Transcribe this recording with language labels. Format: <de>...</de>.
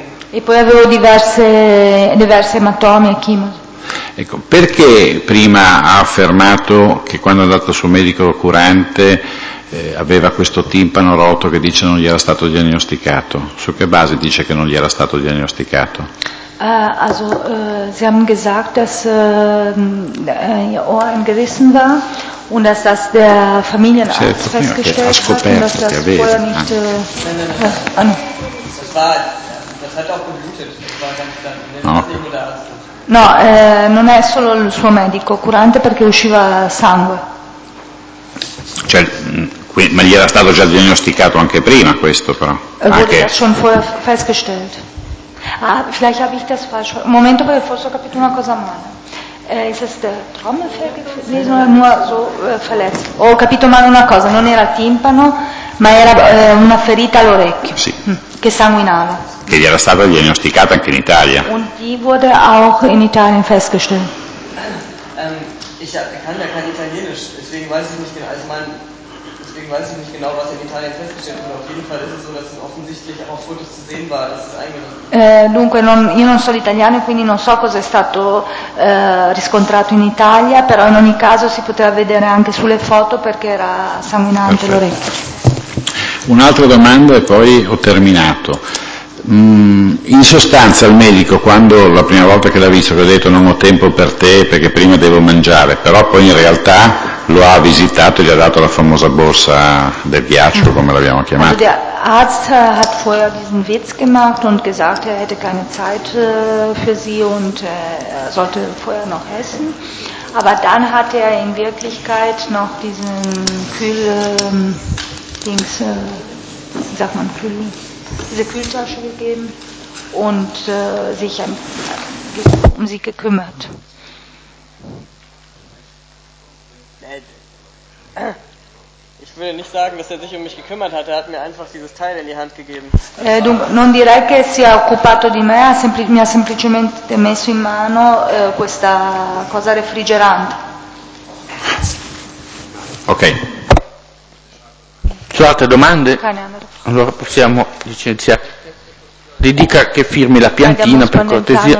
<it>E poi avevo diverse ematomi e chimosi. Ecco, perché prima ha affermato che quando è andato al suo medico curante aveva questo timpano rotto che dice non gli era stato diagnosticato? Su che base dice che non gli era stato diagnosticato?</it> <de>Sie haben gesagt, dass ihr Ohr ein gerissen war und dass das der Familienarzt festgestellt hat und dass das vorher nicht das hat auch geblutet.</de> <it>Non è solo il suo medico curante, perché usciva sangue. Cioè, ma gli era stato già diagnosticato anche prima questo, però.</it> <de>Wurde das schon vorher festgestellt? Ah, vielleicht habe ich das falsch.</de> <it>Momento, perché forse ho capito una cosa male.</it> <de>Ist es der Trommelfell gewesen oder nur so verletzt?</de> <it>Ho capito male una cosa, non era timpano, ma era una ferita all'orecchio. Sì. Che sanguinava. Che gli era stata diagnosticata anche in Italia.</it> <de>Und die wurde auch in Italien festgestellt. Ich kann ja kein Italienisch, deswegen weiß ich nicht genau. Also deswegen weiß ich nicht genau, was in Italien festgestellt wurde. Auf jeden Fall ist es so, dass es offensichtlich auch Fotos zu sehen war, dass es eingerissen.</de> <it>Dunque, io non so l'italiano, quindi non so cosa è stato riscontrato in Italia, però in ogni caso si poteva vedere anche sulle foto, perché era sanguinante l'orecchio. Un'altra domanda e poi ho terminato. In sostanza il medico, quando la prima volta che l'ha visto, che ha detto non ho tempo per te perché prima devo mangiare, però poi in realtà lo ha visitato e gli ha dato la famosa borsa del ghiaccio, come l'abbiamo chiamata.</it> <de>Also der Arzt hat vorher diesen Witz gemacht und gesagt, er hätte keine Zeit für sie und sollte vorher noch essen, aber dann hat er in Wirklichkeit noch diesen Kühl Dings wie sagt man Kühl diese Kühltasche gegeben und sich um sie gekümmert. Ich würde nicht sagen, dass er sich um mich gekümmert hat, er hat mir einfach dieses Teil in die Hand gegeben.</de> <it>Non direi che si è occupato di me, mi ha semplicemente messo in mano questa cosa refrigerante. Ok. Su altre domande? Allora possiamo licenziare. Le dica che firmi la piantina per cortesia.</it>